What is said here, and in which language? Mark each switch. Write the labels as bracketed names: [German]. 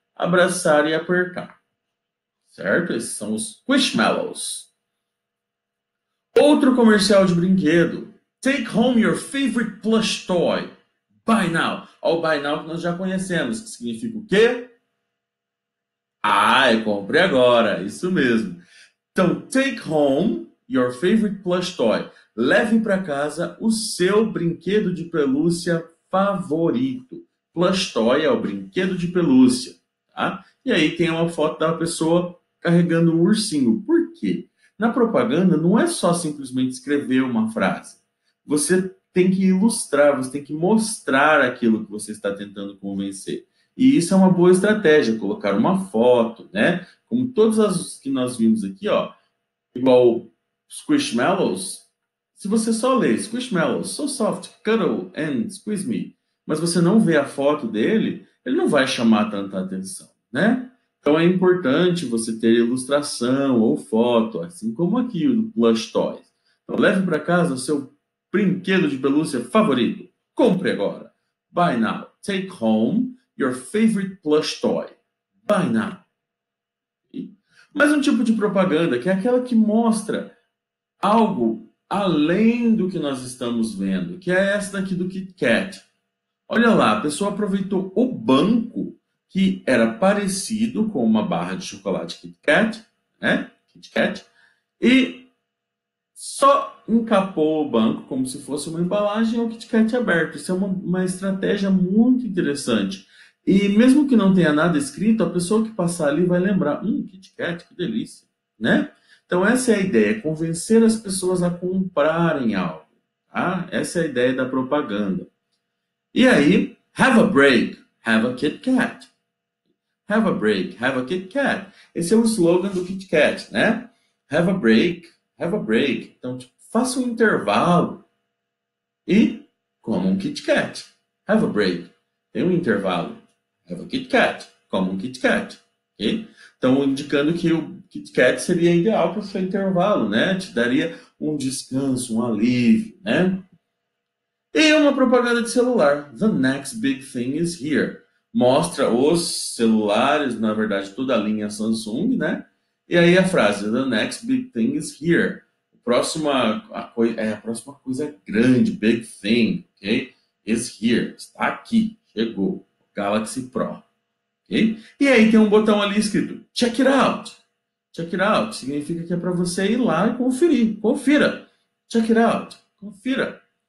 [Portuguese] Abraçar e apertar. Certo? Esses são os Squishmallows. Outro comercial de brinquedo. [English] Take home your favorite plush toy. Buy now. [Portuguese] Olha o [English] buy now [Portuguese] que nós já conhecemos, que significa o quê? Ah, é compre agora, isso mesmo. Então, [English] take home your favorite plush toy. [Portuguese] Leve para casa o seu brinquedo de pelúcia favorito. Plush toy é o brinquedo de pelúcia, tá? E aí tem uma foto da pessoa carregando um ursinho. Por quê? Na propaganda não é só simplesmente escrever uma frase. Você tem que ilustrar, você tem que mostrar aquilo que você está tentando convencer. E isso é uma boa estratégia, colocar uma foto, né? Como todas as que nós vimos aqui, ó. Igual Squishmallows. Se você só lê Squishmallows, [English] so soft, cuddle and squeeze me, [Portuguese] mas você não vê a foto dele, ele não vai chamar tanta atenção, né? Então é importante você ter ilustração ou foto, assim como aqui o do Plush Toys. Então leve para casa o seu brinquedo de pelúcia favorito. Compre agora. [English] Buy now. Take home your favorite plush toy. Buy now. [Portuguese] Mais um tipo de propaganda, que é aquela que mostra algo além do que nós estamos vendo, que é essa daqui do Kit Kat. Olha lá, a pessoa aproveitou o banco, que era parecido com uma barra de chocolate Kit Kat, né? Kit Kat, e só encapou o banco como se fosse uma embalagem ou Kit Kat aberto. Isso é uma estratégia muito interessante. E mesmo que não tenha nada escrito, a pessoa que passar ali vai lembrar, Kit Kat, que delícia, né? Então essa é a ideia, convencer as pessoas a comprarem algo, tá? Essa é a ideia da propaganda. E aí, [English] have a break, have a Kit Kat. Have a break, have a Kit Kat. [Portuguese] Esse é o slogan do Kit Kat, né? [English] Have a break, have a break. [Portuguese] Então, tipo, faça um intervalo e coma um Kit Kat. [English] Have a break. [Portuguese] Tem um intervalo. [English] Have a Kit Kat, [Portuguese] como um [English] Kit Kat. Okay? [Portuguese] Então, indicando que o Kit Kat seria ideal para o seu intervalo, né? Te daria um descanso, um alívio, né? E uma propaganda de celular. [English] The next big thing is here. [Portuguese] Mostra os celulares, na verdade, toda a linha Samsung, né? [English] E aí a frase: The next big thing is here. [Portuguese] A próxima coisa é grande, big thing, ok? [English] Is here. [Portuguese] Está aqui, chegou. Galaxy Pro, ok? E aí tem um botão ali escrito [English] Check it out. [Portuguese] Check it out significa que é para você ir lá e conferir. Confira. Check it out. Confira.